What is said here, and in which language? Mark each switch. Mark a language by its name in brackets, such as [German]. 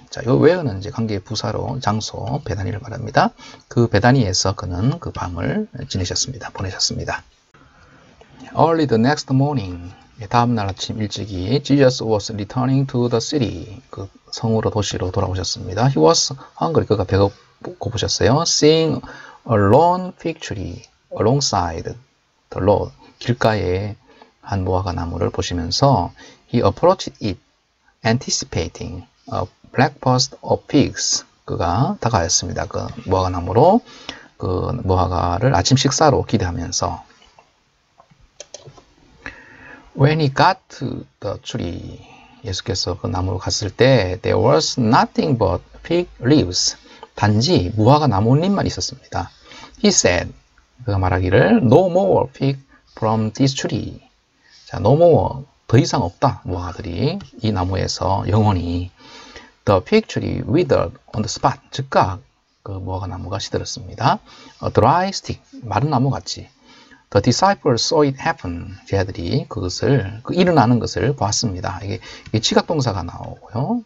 [Korean] 자, 요 where는 이제 관계 부사로 장소 베다니를 말합니다. 그 베다니에서 그는 그 밤을 지내셨습니다. 보내셨습니다. [English] Early the next morning. [Korean] 다음 날 아침 일찍이 [English] Jesus was returning to the city. [Korean] 그 성으로 도시로 돌아오셨습니다. [English] He was hungry. [Korean] 그가 배고 보셨어요. [English] Seeing a lone fig tree alongside the road. [Korean] 길가에 한 무화과 나무를 보시면서 [English] he approached it. Anticipating a breakfast of pigs. [Korean] 그가 다가왔습니다. 그 무화과 나무로 그 무화과를 아침 식사로 기대하면서. [English] When he got to the tree, [Korean] 예수께서 그 나무로 갔을 때 [English] there was nothing but fig leaves. [Korean] 단지 무화과 나뭇잎만 있었습니다. [English] He said, [Korean] 그가 말하기를 [English] no more fig from this tree. [Korean] 자, [English] no more, [Korean] 더 이상 없다. 무화과들이 이 나무에서 영원히. [English] The fig tree withered on the spot. [Korean] 즉각 그 무화과 나무가 시들었습니다. [English] A dry stick, [Korean] 마른 나무 같이. [English] The disciples saw it happen. [Korean] 제자들이 그것을, 그 일어나는 것을 보았습니다. 이게 치각동사가 나오고요.